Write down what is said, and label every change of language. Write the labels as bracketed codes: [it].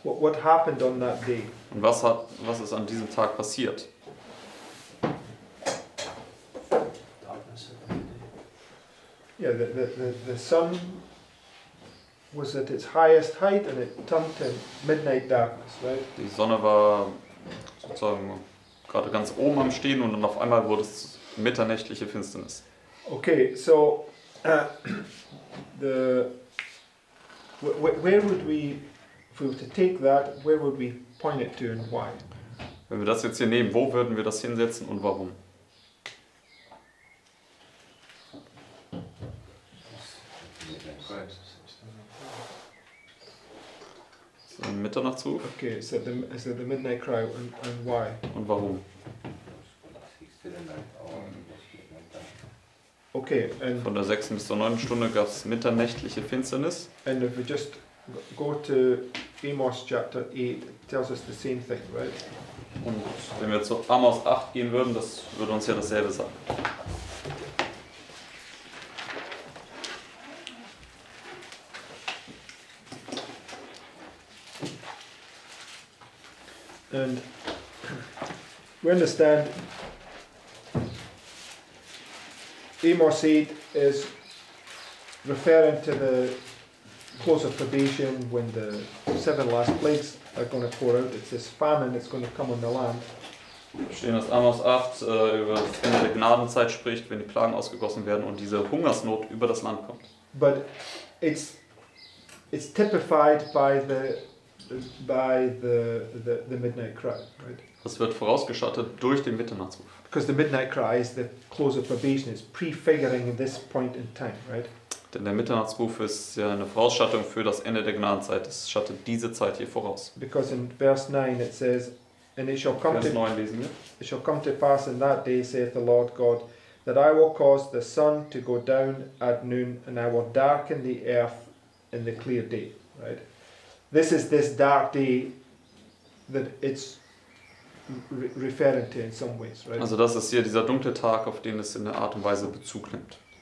[en] What happened on that day? [de] Und was ist an diesem Tag passiert? [en] Yeah, the sun was at its highest height and it turned to midnight darkness, right? [de] Die Sonne war sozusagen gerade ganz oben am Stehen und dann auf einmal wurde es mitternächtliche Finsternis. [en] Okay, so where would we point it to and why? [de] Wenn wir das jetzt hier nehmen, wo würden wir das hinsetzen und warum? Mitternachtsruf. [en] Okay, so the midnight cry and why? [de] Und warum? [en] Okay, and [de] von der 6. bis zur 9. Stunde gab es mitternächtliche Finsternis. [en] And if we just go to Amos chapter 8, it tells us the same thing, right? [de] Und wenn wir zu Amos 8 gehen würden, das würde uns ja dasselbe sagen. [en] And we understand Amos 8 is referring to the close of probation when the seven last plagues are going to pour out. It's this famine that's going to come on the land. [de] Wir verstehen, dass Amos 8 über das Ende der Gnadenzeit spricht, wenn die Plagen ausgegossen werden und diese Hungersnot über das Land kommt. [en] But it's typified by the midnight cry, right? [de] Es wird vorausgeschattet durch den Mitternachtsruf. [en] Because the midnight cry is the close of probation, it's prefiguring this point in time, right? [de] Denn der Mitternachtsruf ist ja eine Vorausschattung für das Ende der Gnadenzeit. Es schattet diese Zeit hier voraus. [en] Because in verse 9 it says, and it shall come [de] Vers 9 [en] to [de] lesen wir. [en] It shall come to pass in that day, saith the Lord God, that I will cause the sun to go down at noon, and I will darken the earth in the clear day, right? This is this dark day that it's referring to in some ways, right? [de] Also das ist hier dieser dunkle Tag, auf den es in der Art und Weise Bezug nimmt.